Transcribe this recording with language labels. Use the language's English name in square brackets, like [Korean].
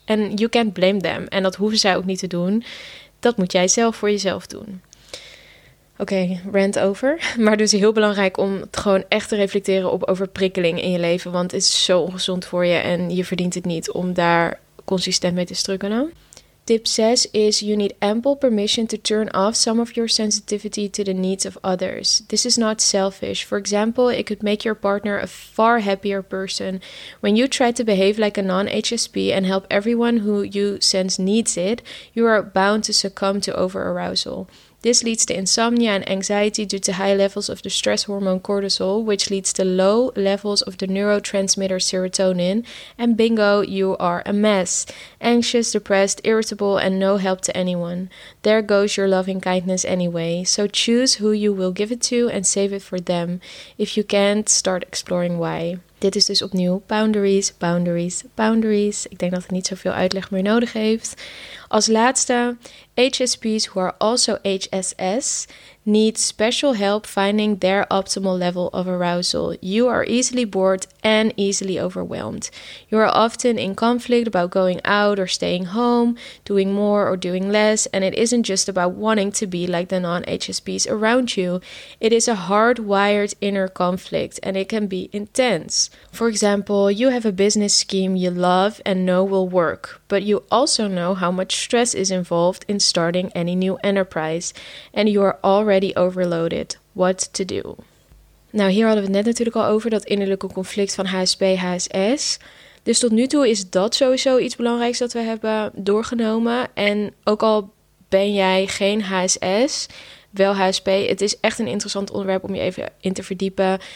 [Dutch] En [English] you can't blame them. [Dutch] En dat hoeven zij ook niet te doen. Dat moet jij zelf voor jezelf doen. Oké, rant over. Maar dus heel belangrijk om het gewoon echt te reflecteren op overprikkeling in je leven. Want het is zo ongezond voor je en je verdient het niet om daar consistent mee te struggelen. [English] Tip 6 is you need ample permission to turn off some of your sensitivity to the needs of others. This is not selfish. For example, it could make your partner a far happier person when you try to behave like a non-HSP and help everyone who you sense needs it. You are bound to succumb to overarousal. This leads to insomnia and anxiety due to high levels of the stress hormone cortisol, which leads to low levels of the neurotransmitter serotonin, and bingo, you are a mess. Anxious, depressed, irritable, and no help to anyone. There goes your loving kindness anyway, so choose who you will give it to and save it for them. If you can't, start exploring why. [Dutch] Dit is dus opnieuw [English] boundaries, boundaries, boundaries. [Dutch] Ik denk dat het niet zoveel uitleg meer nodig heeft. Als laatste, [English] HSPs who are also HSS need special help finding their optimal level of arousal. You are easily bored and easily overwhelmed. You are often in conflict about going out or staying home, doing more or doing less, and it isn't just about wanting to be like the non-HSPs around you. It is a hardwired inner conflict, and it can be intense. For example, you have a business scheme you love and know will work, but you also know how much stress is involved in starting any new enterprise, and you are already overloaded. What to do? [Dutch] Nou, hier hadden we het net natuurlijk al over, dat innerlijke conflict van HSP, HSS. Dus tot nu toe is dat sowieso iets belangrijks dat we hebben doorgenomen. En ook al ben jij geen HSS, wel HSP, het is echt een interessant onderwerp om je even in te verdiepen.